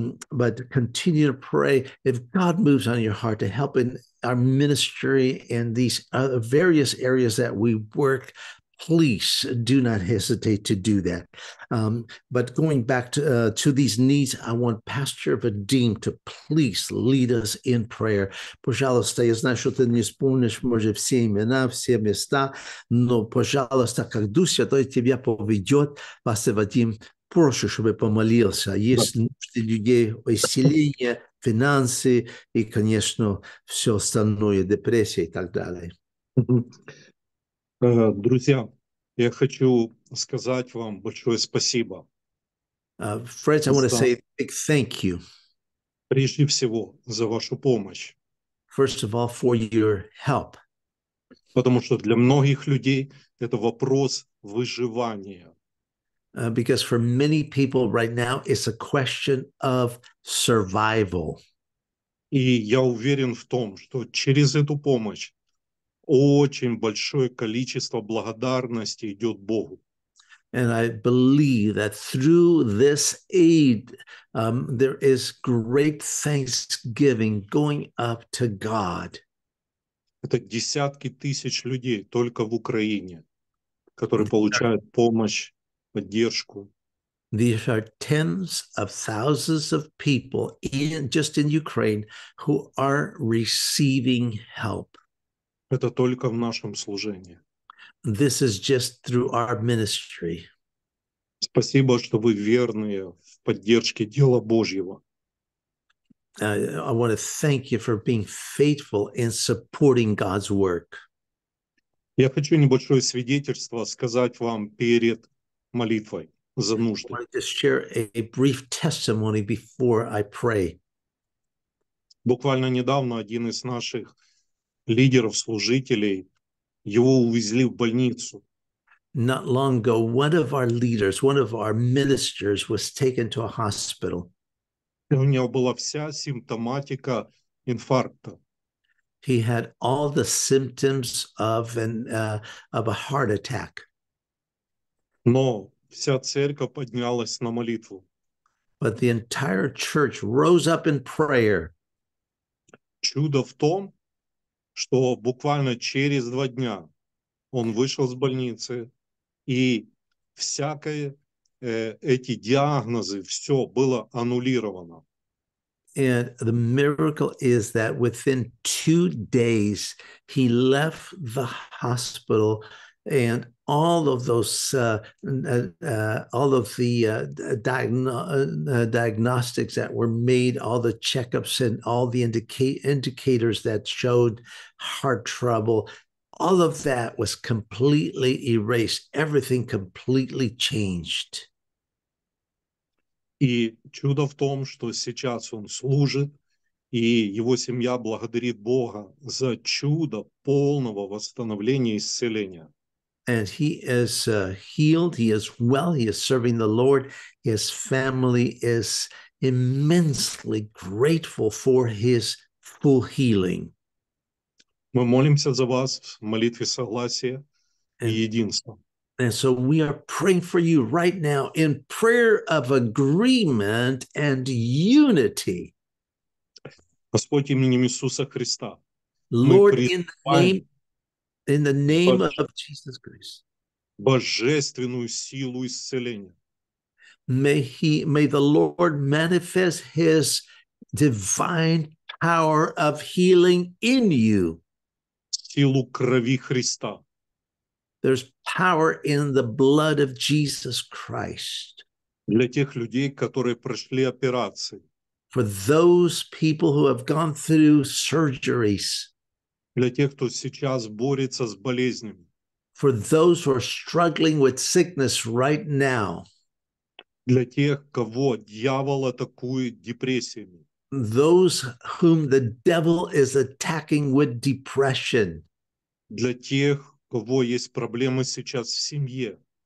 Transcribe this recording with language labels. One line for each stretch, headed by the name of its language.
English: But continue to pray. If God moves on your heart to help in our ministry and these various areas that we work, please do not hesitate to do that. But going back to these needs, I want Pastor Vadim to please lead us in prayer.
Russian: Пожалуйста, я знаю, что ты не вспомнишь, может, все имена, все места, но, пожалуйста, как Дух Святой тебя поведет, Пастор Вадим, прошу, чтобы помолился. Есть нужды людей, исцеление, финансы и, конечно, все остальное, депрессия и так далее. Друзья, я хочу сказать вам большое спасибо.
English: Friends, I want to say a big thank you.
Russian: Прежде всего, за вашу помощь.
English: First of all, for your help.
Russian: Потому что для многих людей это вопрос выживания.
English: Because for many people right now it's a question of survival.
Russian: И я уверен в том, что через эту помощь очень большое количество благодарности идет Богу.
English: And I believe that through this aid, there is great thanksgiving going up to God.
Russian: Это десятки тысяч людей только в Украине, которые получают помощь, поддержку.
English: These are tens of thousands of people just in Ukraine who are receiving help.
Russian: Это только в нашем служении.
English: This is just through our ministry.
Russian: Спасибо, что вы верные в поддержке дела Божьего.
English: I want to thank you for being faithful in supporting God's work.
Russian: Я хочу небольшое свидетельство сказать вам перед молитвой за нужды.
English: I want to share a brief testimony before I pray.
Russian: Буквально недавно один из наших лидеров, служителей, его увезли в больницу.
English: Not long ago, one of our leaders, one of our ministers was taken to a hospital.
Russian: У него была вся симптоматика инфаркта.
English: He had all the symptoms of a heart attack.
Russian: Но вся церковь поднялась на молитву.
English: But the entire church rose up in prayer.
Russian: Чудо в том, что буквально через два дня он вышел с больницы, и всякие эти диагнозы, все было аннулировано.
English: And the miracle is that within 2 days, he left the hospital and all of those, diagnostics that were made, all the checkups and all the indicators that showed heart trouble, all of that was completely erased. Everything completely changed.
Russian: И чудо в том, что сейчас он служит, и его семья благодарит Бога за чудо полного восстановления и исцеления.
English: And he is healed, he is well, he is serving the Lord. His family is immensely grateful for his full healing.
Russian: Мы молимся за вас в молитве согласия и единства.
English: And so we are praying for you right now in prayer of agreement and unity.
Russian: Господь, именем Иисуса Христа,
English: Lord,
Russian: мы призываем
English: in the name of Jesus Christ,
Russian: божественную силу исцеления.
English: May the Lord manifest his divine power of healing in you.
Russian: Силу крови Христа.
English: There's power in the blood of Jesus Christ.
Russian: Для тех людей, которые прошли операции.
English: For those people who have gone through surgeries.
Russian: Для тех, кто сейчас борется с болезнями.
English: For those who are struggling with sickness right now.
Russian: Для тех, кого дьявол атакует депрессиями.
English: Those whom the devil is attacking with depression.
Russian: Для тех, у кого есть проблемы сейчас в семье.